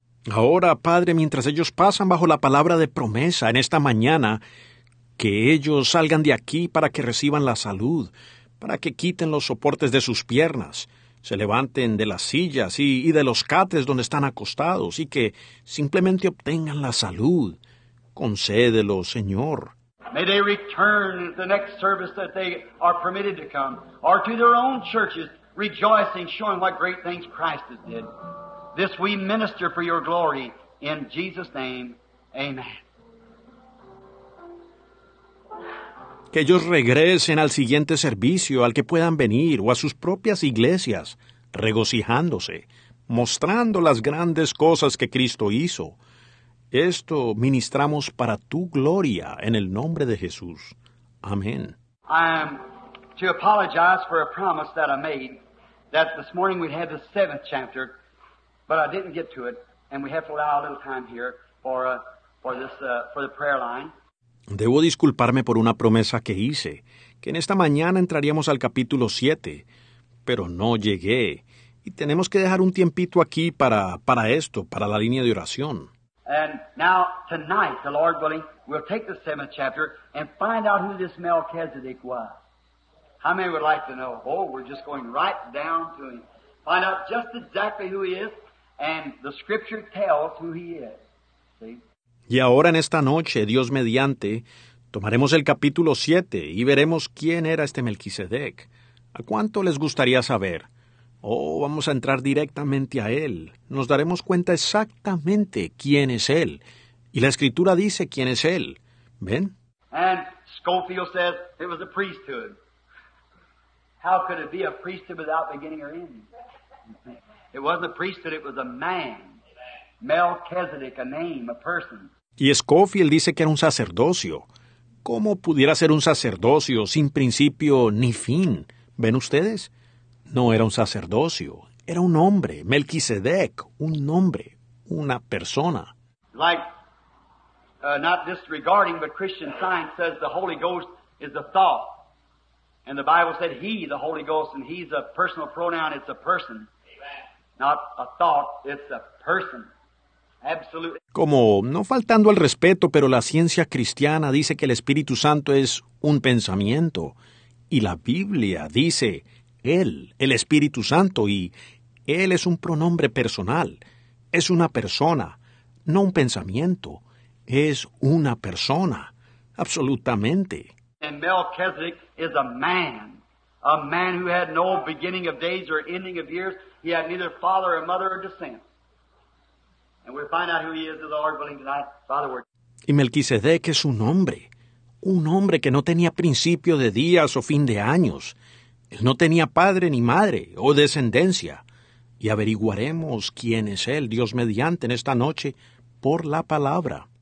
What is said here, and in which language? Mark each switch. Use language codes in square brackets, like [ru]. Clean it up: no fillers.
[es] Ahora, Padre, mientras ellos pasan bajo la palabra de promesa en esta mañana, que ellos salgan de aquí para que reciban la salud, para que quiten los soportes de sus piernas, se levanten de las sillas y de los cates donde están acostados y que simplemente obtengan la salud. Concédelo, Señor. [en] May they return to the next service that they are permitted to come, or to their own churches, rejoicing, showing what great things Christ has did. This we minister for your glory, in Jesus' name, amen. [es] Que ellos regresen al siguiente servicio, al que puedan venir, o a sus propias iglesias, regocijándose, mostrando las grandes cosas que Cristo hizo. Esto ministramos para tu gloria, en el nombre de Jesús. Amén. [en] I am to apologize for a promise that I made, that this morning we had the seventh chapter, but I didn't get to it, and we have to allow a little time here for the prayer line. [es] Debo disculparme por una promesa que hice, que en esta mañana entraríamos al capítulo 7, pero no llegué, y tenemos que dejar un tiempito aquí para esto, para la línea de oración. [en] And now, tonight, the Lord willing, we'll take the seventh chapter and find out who this Melchizedek was. How many would like to know? Oh, we're just going right down to him. Find out just exactly who he is. And the scripture tells who he is. See? [es] Y ahora en esta noche, Dios mediante, tomaremos el capítulo 7 y veremos quién era este Melquisedec. ¿A cuánto les gustaría saber? Oh, vamos a entrar directamente a él. Nos daremos cuenta exactamente quién es él. Y la escritura dice quién es él. ¿Ven? [en] And Scofield says it was a priesthood. How could it be a priesthood without beginning or ending? It wasn't a priesthood, it was a man. Melchizedek, a name, a person. [es] Y Scofield dice que era un sacerdocio. ¿Cómo pudiera ser un sacerdocio sin principio ni fin? ¿Ven ustedes? No era un sacerdocio, Era un hombre, Melquisedec, un nombre, una persona. [en] Like, not disregarding, but Christian Science says the Holy Ghost is a thought. And the Bible said he, the Holy Ghost, and he's a personal pronoun, it's a person. Amen. Not a thought, it's a person. Absolutely. [es] Como, no faltando al respeto, pero la ciencia cristiana dice que el Espíritu Santo es un pensamiento. Y la Biblia dice Él, el Espíritu Santo, y Él es un pronombre personal. Es una persona, no un pensamiento. Es una persona, absolutamente. [en] And Melchizedek is a man who had no beginning of days or ending of years. He had neither father or mother or descent. And we'll find out who he is, the Lord willing, tonight, by the word. [es] Y Melquisedec es un hombre que no tenía principio de días o fin de años. Él no tenía padre ni madre o descendencia. Y averiguaremos quién es él, Dios mediante, en esta noche, por la palabra.